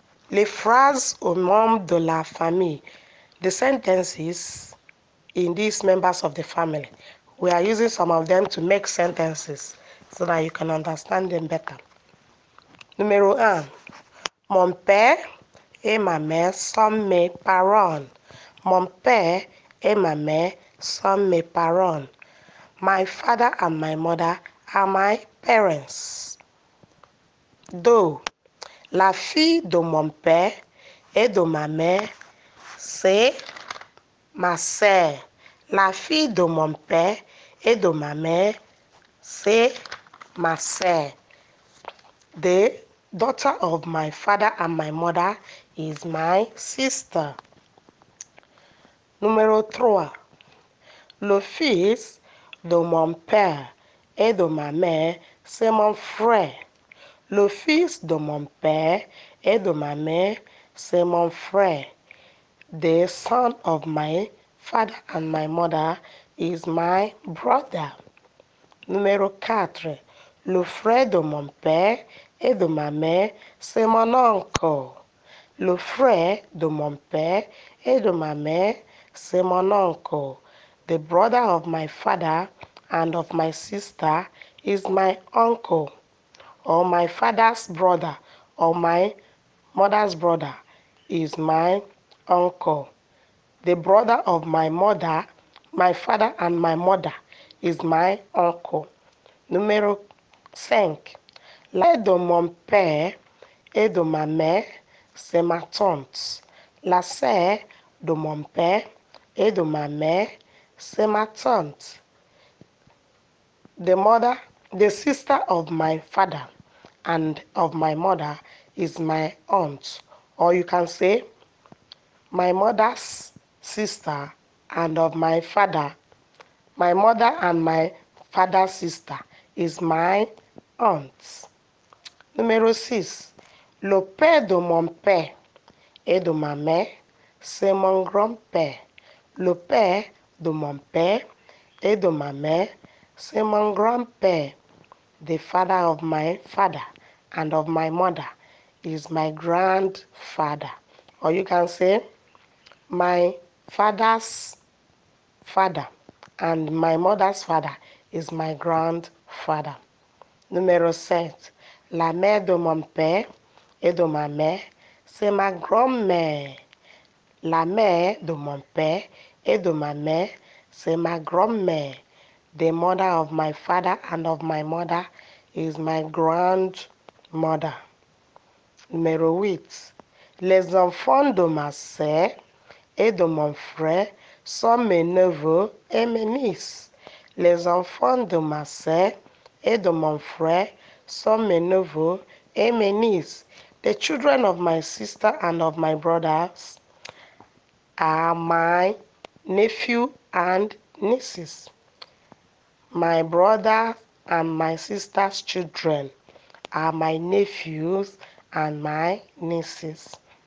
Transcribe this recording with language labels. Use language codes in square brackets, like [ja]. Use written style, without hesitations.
[fr] Les phrases aux membres de la famille. [en] The sentences in these members of the family. We are using some of them to make sentences so that you can understand them better. [fr] Numéro 1. Mon père et ma mère sont mes parents. Mon père et ma mère sont mes parents. [en] My father and my mother are my parents. 2. [fr] La fille de mon père et de ma mère, c'est ma sœur. La fille de mon père et de ma mère, c'est ma sœur. [en] The daughter of my father and my mother is my sister. [fr] Numéro 3. Le fils de mon père et de ma mère, c'est mon frère. Le fils de mon père et de ma mère, c'est mon frère. [en] The son of my father and my mother is my brother. [fr] Numéro 4. Le frère de mon père et de ma mère, c'est mon oncle. Le frère de mon père et de ma mère, c'est mon oncle. [en] The brother of my father and of my sister is my uncle, or my father's brother, or my mother's brother is my uncle. The brother of my mother, my father and my mother is my uncle. [fr] Numéro 5. La de mon père et de ma mère, c'est ma tante. La sœur de mon père et de ma mère, c'est ma tante. [en] The mother, the sister of my father and of my mother is my aunt, or you can say my mother's sister and of my father, my mother and my father's sister is my aunt. [fr] Numero 6. Le père de mon père et de ma mère, c'est mon grand-père. Le père de mon père et de ma mère, c'est mon grand-père. [en] The father of my father and of my mother is my grandfather. Or you can say, my father's father and my mother's father is my grandfather. [fr] Numéro 7. La mère de mon père et de ma mère, c'est ma grand-mère. La mère de mon père et de ma mère, c'est ma grand-mère. [en] The mother of my father and of my mother is my grandmother. [fr] Numéro 8. Les enfants de ma sœur et de mon frère sont mes neveux et mes nièces. Les enfants de ma sœur et de mon frère sont mes neveux et mes nièces. [en] The children of my sister and of my brothers are my nephew and nieces. My brother and my sister's children are my nephews and my nieces.